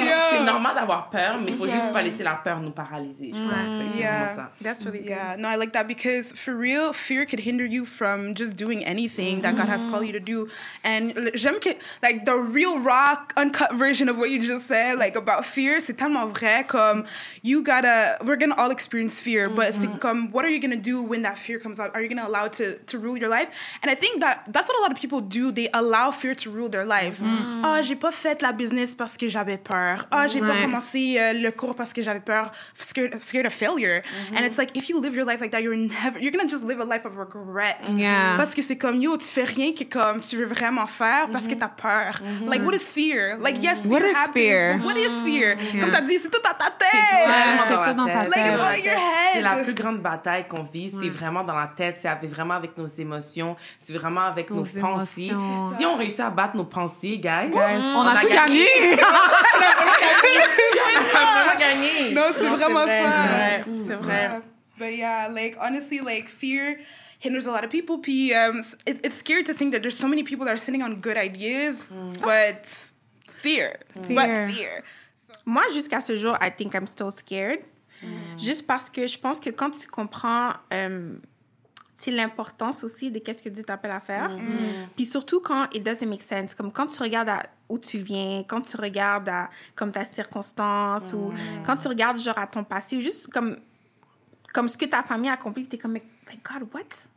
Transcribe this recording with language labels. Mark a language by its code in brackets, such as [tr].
[fr] C'est normal d'avoir peur, mais il faut juste pas laisser la peur nous paralyser. [en] No, I like that, because for real, fear could hinder you from just doing anything that God has called you to do. And [fr] j'aime que, [en] like, the real rock, uncut version of what you just said, like, about fear, [fr] c'est tellement vrai, comme, [en] you gotta... We're going to all experience fear, but [fr] c'est comme, [en] what are you going to do when that fear comes out? Are you going to allow it to rule your life? And I think that that's what a lot of people do. They allow fear to rule their lives. [fr] Oh, j'ai pas fait la business parce que j'avais peur. Oh, j'ai pas commencé le cours parce que j'avais peur, [en] scared of failure. And it's like, if you live your life like that, you're going to just live a life of regret. Yeah. [fr] Parce que c'est comme, yo, tu fais rien que comme tu veux vraiment faire parce que t'as peur. [en] Like, what is fear? Like, yes, fear happens. What is fear? What is fear? [fr] Comme t'as dit, c'est tout dans ta tête. C'est la plus grande bataille qu'on vit, c'est vraiment dans la tête, c'est vraiment avec nos émotions, c'est vraiment avec nos pensées. Si on réussit à battre nos pensées, guys, on a tout gagné. On a vraiment gagné. Non, c'est vraiment ça. C'est vrai. [en] But yeah, like, honestly, like, fear hinders a lot of people. Puis, it's scary to think that there's so many people that are sitting on good ideas, but fear. But fear. [fr] Moi, jusqu'à ce jour, [en] I think I'm still scared. [fr] Juste parce que je pense que quand tu comprends l'importance aussi de qu'est-ce que Dieu t'appelle à faire, puis surtout quand [en] it doesn't make sense, [fr] comme quand tu regardes à où tu viens, quand tu regardes à comme ta circonstance, ou quand tu regardes genre à ton passé, ou juste comme ce que ta famille a accompli, t'es comme, [en] my God, what?